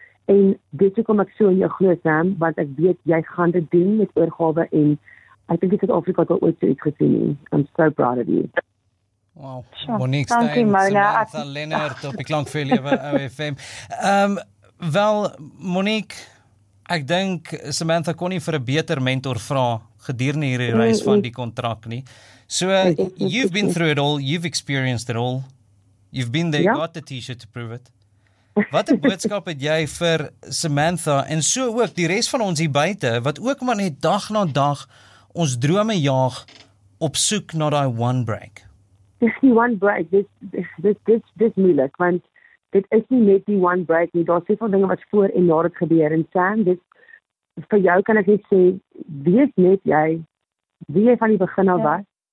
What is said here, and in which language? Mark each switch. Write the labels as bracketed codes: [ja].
[af] En dit kom ek so in jou groot naam, want ek weet, jy gaan dit doen met oorgawe en ek denk dat Afrika al ooit so iets gesien het. [en] I'm so proud of you. [af] Wow, Monique Stein, dankie, Samantha Leonard op die klank vir jou OFM. Wel, Monique, ek denk Samantha kon nie vir 'n beter mentor vra gedurende hierdie reis van die kontrak nie. [en] So, you've been through it all, you've experienced it all, you've been there, got the t-shirt to prove it. [af] Wat 'n boodskap het jy vir Samantha en so ook die res van ons hier buite wat ook maar net dag na dag ons drome jaag op soek na daai one break? Dis nie one break, dis moeilik, want dit is nie net die one break nie, daar is soveel dinge wat voor en na het gebeur en Sam, dit vir jou kan ek net sê, wees net jy, wie jy van die begin al was,